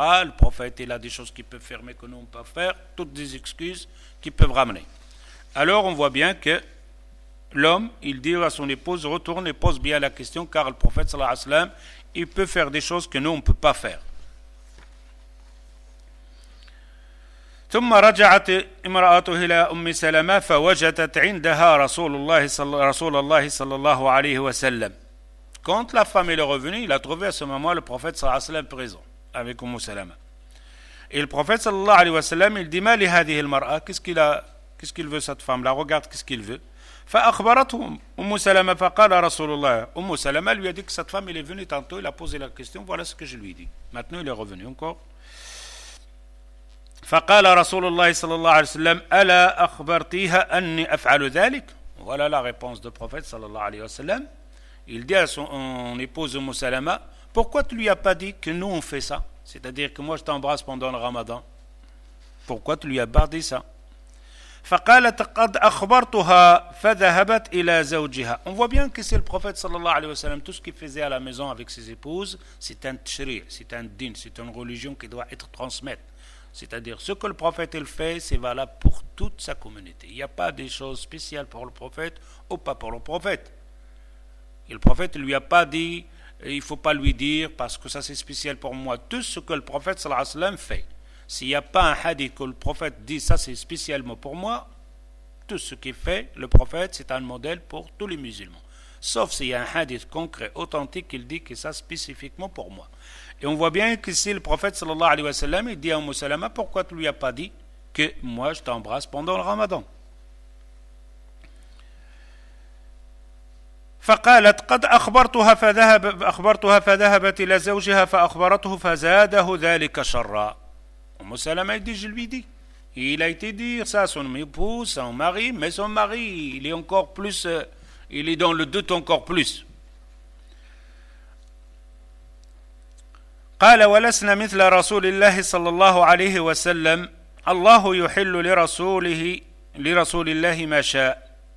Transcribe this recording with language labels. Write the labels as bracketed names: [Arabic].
[French] Le prophète, il a des choses qu'il peut faire mais que nous, on peut faire. Toutes des excuses qu'il peut ramener. Alors, on voit bien que l'homme, il dit à son épouse, retourne et pose bien la question, car le prophète, sallallahu alayhi wa sallam, il peut faire des choses que nous, on ne peut pas faire. [Arabic] ثم رجعت امرأته إلى أم سلمة فوجدت عندها رسول الله صلى الله عليه وسلم. [French] Quand la femme est revenue, il a trouvé à ce moment le prophète صلى الله عليه وسلم présent avec Umm Salama. Et le prophète صلى الله عليه وسلم, il dit: [Arabic] ما لهذه المرأة؟ [French] Qu'est-ce qu'il veut cette femme là? Regarde qu'est-ce qu'il veut. [Arabic] فأخبرته أم سلمة فقال رسول الله. [French] Umm Salama lui a dit que cette femme, elle est venue tantôt, il a posé la question, voilà ce que je lui ai dit. Maintenant, il est revenu encore. [Arabic] فقال رسول الله صلى الله عليه وسلم ألا أخبرتيها أني أفعل ذلك؟ [French] Voilà la réponse du prophète [Arabic] صلى الله عليه وسلم. [French] Il dit à son épouse Umm Salama, pourquoi tu lui as pas dit que nous on fait ça? C'est-à-dire que moi je t'embrasse pendant le ramadan. Pourquoi tu lui as pas dit ça? [Arabic] فقالت قد أخبرتها فذهبت إلى زوجها. [French] On voit bien que c'est le prophète صلى الله عليه وسلم, tout ce qu'il faisait à la maison avec ses épouses, c'est un tchri, c'est un din, c'est une religion qui doit être transmise. C'est-à-dire, ce que le prophète il fait, c'est valable pour toute sa communauté. Il n'y a pas des choses spéciales pour le prophète ou pas pour le prophète. Et le prophète ne lui a pas dit, il ne faut pas lui dire parce que ça c'est spécial pour moi. Tout ce que le prophète sallallahu alayhi wa sallam fait, s'il n'y a pas un hadith que le prophète dit, ça c'est spécialement pour moi, tout ce qu'il fait, le prophète, c'est un modèle pour tous les musulmans. Sauf s'il y a un hadith concret, authentique, qu'il dit que ça spécifiquement pour moi. Et on voit bien que si le prophète sallallahu alayhi wa sallam, il dit à Umm Salama, pourquoi tu ne lui as pas dit que moi je t'embrasse pendant le ramadan? [Arabic] فقالت قد أخبرتها فذهبت إلى زوجها فأخبرته فزاده ذلك شرا. [French] Umm Salama, il dit, je lui dis. Il a été dit ça à son épouse, son mari, mais son mari, il est encore plus, il est dans le doute encore plus. [Arabic] قال ولسنا مثل رسول الله صلى الله عليه وسلم الله يحل لرسول الله ما شاء.